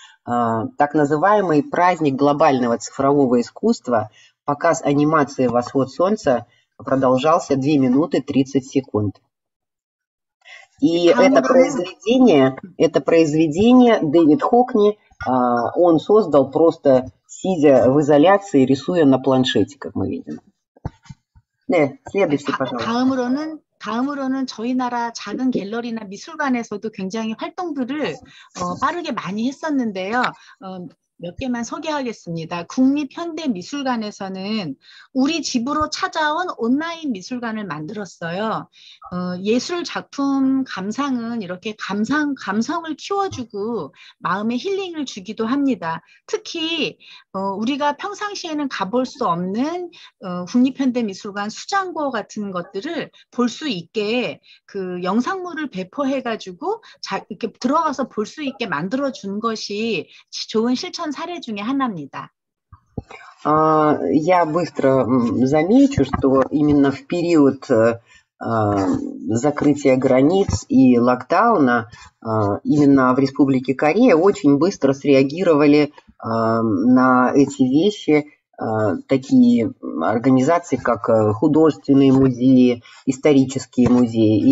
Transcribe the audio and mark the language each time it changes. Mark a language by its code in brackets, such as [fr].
[ru] Так называемый праздник глобального цифрового искусства, показ анимации «Восход солнца» продолжался 2 минуты 30 секунд. И это произведение Дэвид Хокни, он создал просто сидя в изоляции, рисуя на планшете, как мы видим. Да, следующий, пожалуйста. [ko] 다음으로는 저희 나라 작은 갤러리나 미술관에서도 굉장히 활동들을 빠르게 많이 했었는데요. 몇 개만 소개하겠습니다. 국립현대미술관에서는 우리 집으로 찾아온 온라인 미술관을 만들었어요. 예술 작품 감상은 이렇게 감성을 키워주고 마음의 힐링을 주기도 합니다. 특히 우리가 평상시에는 가볼 수 없는 국립현대미술관 수장고 같은 것들을 볼 수 있게 그 영상물을 배포해가지고 이렇게 들어가서 볼 수 있게 만들어준 것이 좋은 실천 사례 중에 하나입니다. [ru] Я быстро замечу, что именно в период закрытия границ и локдауна именно в Республике Корея очень быстро среагировали на эти вещи такие организации, как художественные музеи, исторические музеи.